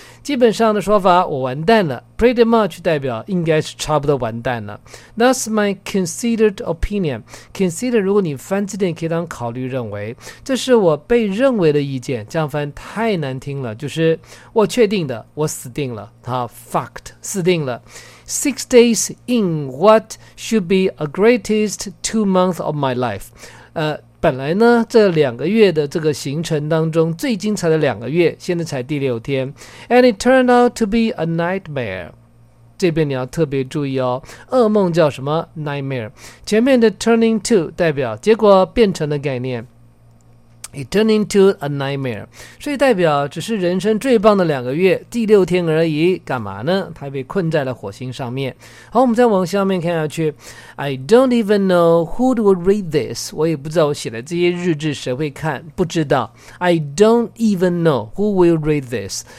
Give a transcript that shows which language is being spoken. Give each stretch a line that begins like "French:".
Chinese: 基本上的说法，我完蛋了 ，
English: pretty much
Chinese: 代表应该是差不多完蛋了。
English: That's my considered opinion.
Chinese: Consider 如果你翻字典可以当考虑认为，这是我被认为的意见。这样翻太难听了，就是我确定的，我死定了。好 ，fucked 死定了。
English: Six days in what should be a greatest 2 months of my life.
Chinese: 本来呢，这两个月的这个行程当中最精彩的两个月，现在才第六天。
English: And it turned out to be a nightmare.
Chinese: 这边你要特别注意哦，噩梦叫什么 ？Nightmare. 前面的
English: turning to
Chinese: 代表结果变成的概念。
English: It turned into a nightmare.
Chinese: 所以代表只是人生最棒的两个月，第六天而已。干嘛呢？他被困在了火星上面。好，我们再往下面看下去。
English: I don't even know who would read this.
Chinese: 我也不知道我写的这些日志谁会看，不知道。
English: I don't even know who will read this.